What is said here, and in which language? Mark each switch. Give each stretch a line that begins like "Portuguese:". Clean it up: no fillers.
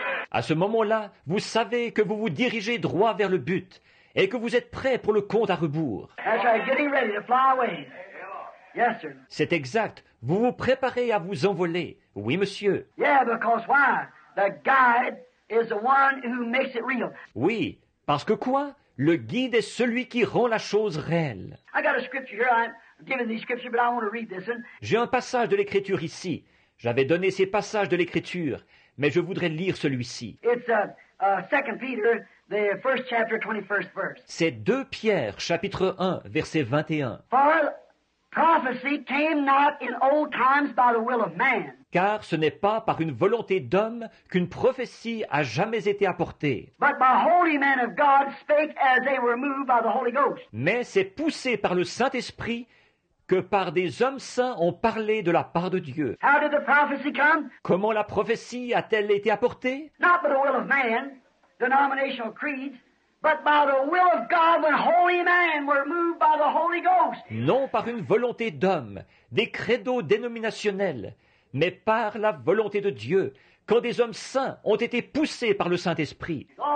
French: À ce moment-là, vous savez que vous vous dirigez droit vers le but. Et que vous êtes prêt pour le compte à rebours.
English: That's right, getting ready to fly away. Yes, sir.
French: C'est exact. Vous vous préparez à vous envoler. Oui, monsieur.
English: Yeah, because why? The guide is the one who makes it real.
French: Oui, parce que quoi? Le guide est celui qui rend la chose réelle.
English: I got a scripture here. I'm giving these scriptures, but I want to read this one.
French: J'ai un passage de l'Écriture ici. J'avais donné ces passages de l'Écriture, mais je voudrais lire celui-ci.
English: It's 2 Peter, the first chapter, 21st verse.
French: C'est 2 Pierre, chapitre 1, verset 21.
English: For prophecy came not in old times by the will of man.
French: Car ce n'est pas par une volonté d'homme qu'une prophétie a jamais été apportée.
English: But by holy men of God spake as they were moved by the Holy Ghost.
French: Mais c'est poussé par le Saint-Esprit que par des hommes saints ont parlé de la part de Dieu.
English: How did the prophecy come?
French: Comment la prophétie a-t-elle été apportée?
English: Not by the will of man, denominational creeds, but by the will of God when holy men were moved by the Holy Ghost.
French: Non par une volonté d'homme, des credos dénominationnels, mais par la volonté de Dieu, quand des hommes saints ont été poussés par le Saint-Esprit.